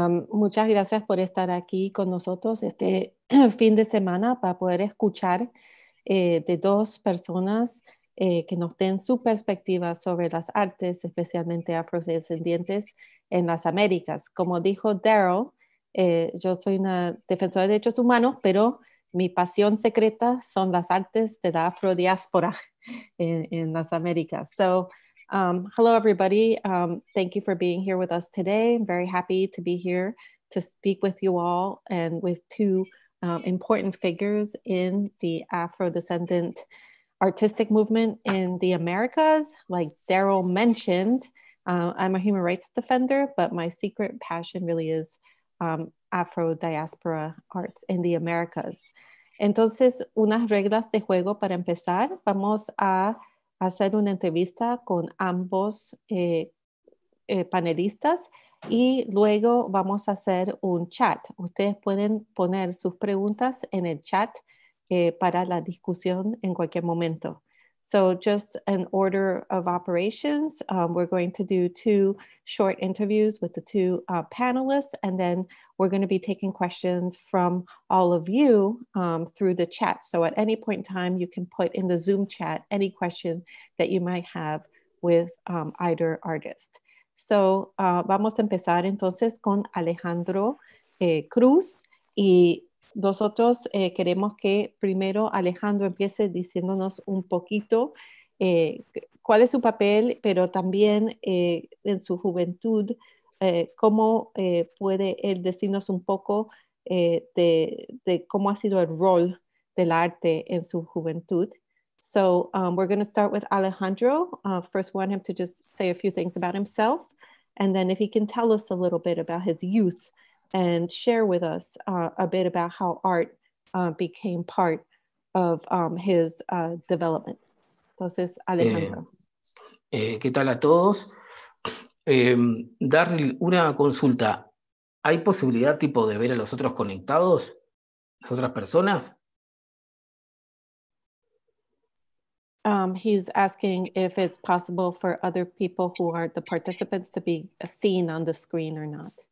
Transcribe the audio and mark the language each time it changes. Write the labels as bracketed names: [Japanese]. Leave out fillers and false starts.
[Spanish] Muchas gracias por estar aquí con nosotros este fin de semana para poder escuchar de dos personas que nos den su perspectiva sobre las artes, especialmente afrodescendientes en las Américas. Como dijo Daryl, yo soy una defensora de derechos humanos, pero mi pasión secreta son las artes de la afrodiáspora en las Américas. [English] So, hello, everybody. Thank you for being here with us today. I'm very happy to be here to speak with you all and with two important figures in the Afro-descendant artistic movement in the Americas. Like Daryl mentioned, I'm a human rights defender, but my secret passion really is Afro-diaspora arts in the Americas. [Spanish] Entonces, unas reglas de juego para empezar. Vamos a hacer una entrevista con ambos panelistas y luego vamos a hacer un chat. Ustedes pueden poner sus preguntas en el chat para la discusión en cualquier momento. [English] So just an order of operations, we're going to do two short interviews with the two panelists, and then we're going to be taking questions from all of you through the chat. So at any point in time, you can put in the Zoom chat any question that you might have with either artist. [Spanish] So vamos a empezar entonces con Alejandro Cruz, y nosotros queremos que primero Alejandro empiece diciéndonos un poquito cuál es su papel, pero también en su juventud, cómo puede él decirnos un poco de cómo ha sido el rol del arte en su juventud. [English] So we're going to start with Alejandro. First, want him to just say a few things about himself, and then if he can tell us a little bit about his youth and share with us a bit about how art became part of his development. [Spanish] Entonces, Alejandro. ¿Qué tal a todos? Dar una consulta. ¿Hay posibilidad tipo de ver a los otros conectados? ¿Las otras personas? [English] He's asking if it's possible for other people who are the participants to be seen on the screen or not.